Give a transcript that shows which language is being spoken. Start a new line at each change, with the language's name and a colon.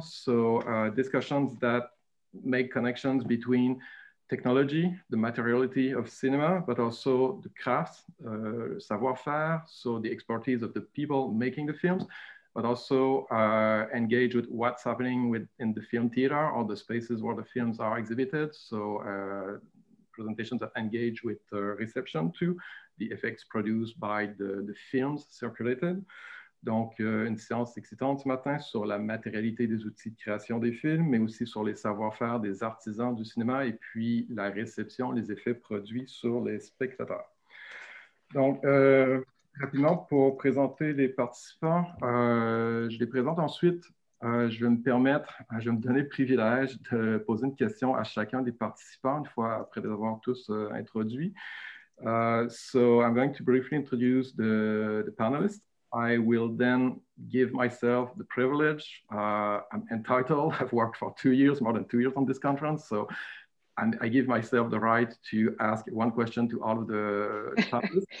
English: So discussions that make connections between technology, the materiality of cinema, but also the crafts, savoir-faire, so the expertise of the people making the films, but also engage with what's happening in the film theater or the spaces where the films are exhibited. So presentations that engage with reception to the effects produced by the films circulated.
French: Donc, une séance excitante ce matin sur la matérialité des outils de création des films, mais aussi sur les savoir-faire des artisans du cinéma et puis la réception, les effets produits sur les spectateurs. Donc, rapidement, pour présenter les participants, je les présente ensuite. Je vais me donner le privilège de poser une question à chacun des participants une fois après les avoir tous introduits.
English: So, I'm going to briefly introduce the panelists. I will then give myself the privilege. I'm entitled, I've worked for 2 years, more than 2 years on this conference. So, and I give myself the right to ask one question to all of the panelists.